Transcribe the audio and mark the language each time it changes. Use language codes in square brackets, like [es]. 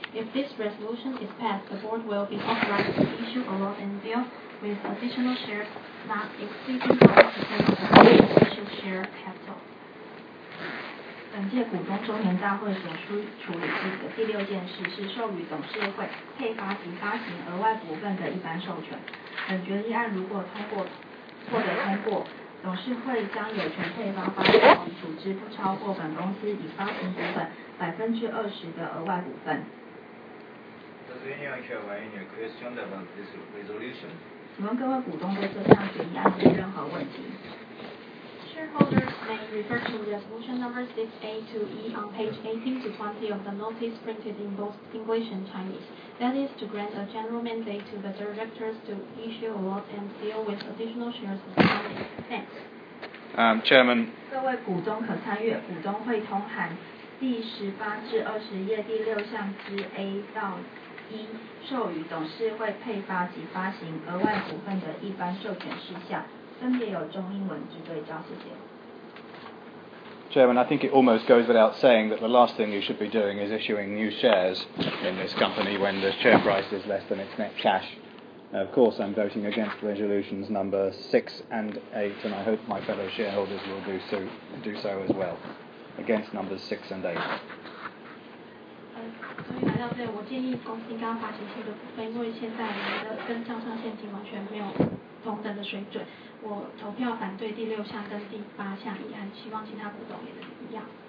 [en] If this resolution is passed, the board will be authorized to issue a lot and deal with additional shares not exceeding 5% of the initial share capital. [zh] 本届股东周年大会所需处理的第六件事是授予董事会配发及发行额外股份的一般授权。本决议案如果通过，获得通过。董事会将有权配发发行及组织不超过本公司已发行股份20%的额外股份。 [en] Does anyone have any question about this resolution? [zh] 请问各位股东对这项决议案有任何问题？ [en] Shareholders may refer to resolution number 6A to E on page 18 to 20 of the notice printed in both English and Chinese. That is to grant a general mandate to the directors to issue a lot and deal with additional shares of the company. Thanks. Chairman. [zh] 各位股东可参阅股东会通函第18-20页第6项之 A 到 E 授予董事会配发及发行额外股份的一般授权事项，分别有中英文之对照，谢谢。 [en] Chairman, I think it almost goes without saying that the last thing you should be doing is issuing new shares in this company when the share price is less than its net cash. Now, of course, I'm voting against resolutions number 6 and 8, and I hope my fellow shareholders will do so as well. Against numbers 6 and 8. [zh] 终于来到这，我建议公司应该发行新的股份，因为现在我们的跟账上现金完全没有同等的水准。我投票反对第6项跟第8项议案，希望其他股东也能一样。